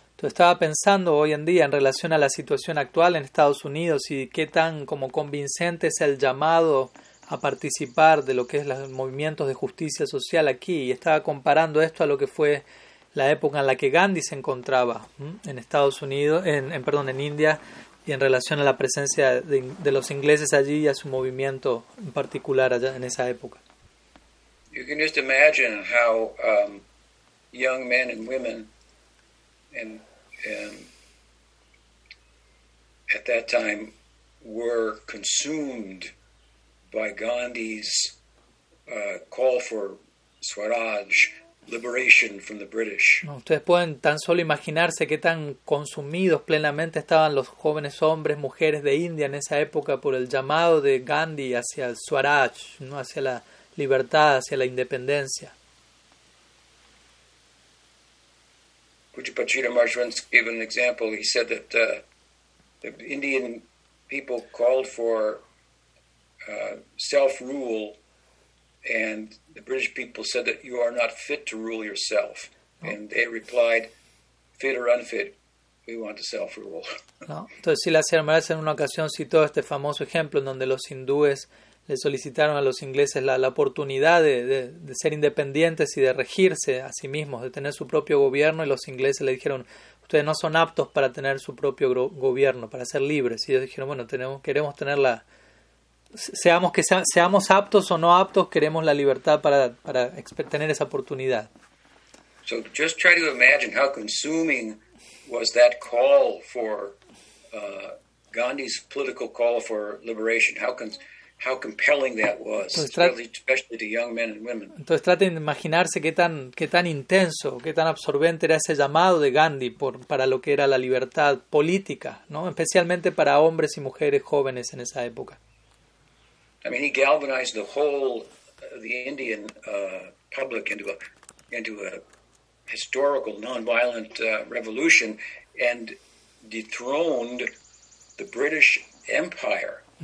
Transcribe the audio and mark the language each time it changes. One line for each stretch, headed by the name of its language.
Spanish: Entonces estaba pensando hoy en día en relación a la situación actual en Estados Unidos y qué tan como convincente es el llamado a participar de lo que es los movimientos de justicia social aquí. Y estaba comparando esto a lo que fue la época en la que Gandhi se encontraba en Estados Unidos, en India, y en relación a la presencia de los ingleses allí y a su movimiento en particular allá en esa época.
English: You can just imagine how young men and women and at that time were consumed by Gandhi's call for Swaraj, liberation from the British.
Spanish: No, ustedes pueden tan solo imaginarse qué tan consumidos plenamente estaban los jóvenes hombres, mujeres de India en esa época por el llamado de Gandhi hacia el Swaraj, ¿no? Hacia la libertad, hacia la independencia.
English: Puchipachita Marshwins gave an example. He said that the Indian people called for self-rule, and the British people said that you are not fit to rule yourself.
Spanish: No.
English: And they replied, fit or unfit, we want to self-rule.
Spanish: No. Entonces, si la señora en una ocasión citó este famoso ejemplo en donde los hindúes le solicitaron a los ingleses la oportunidad de ser independientes y de regirse a sí mismos, de tener su propio gobierno, y los ingleses le dijeron, ustedes no son aptos para tener su propio gobierno, para ser libres. Y ellos dijeron, bueno, queremos tener la... Seamos aptos o no aptos, queremos la libertad para tener esa oportunidad.
English: So just try to imagine how consuming was that call for Gandhi's political call for liberation. How compelling that was, especially to young men and women.
Spanish: Entonces traten de imaginarse qué tan intenso, qué tan absorbente era ese llamado de Gandhi para lo que era la libertad política, ¿no? Especialmente para hombres y mujeres jóvenes en esa época.
English: I mean, he galvanized the whole the Indian public into a historical non-violent revolution and dethroned the British Empire.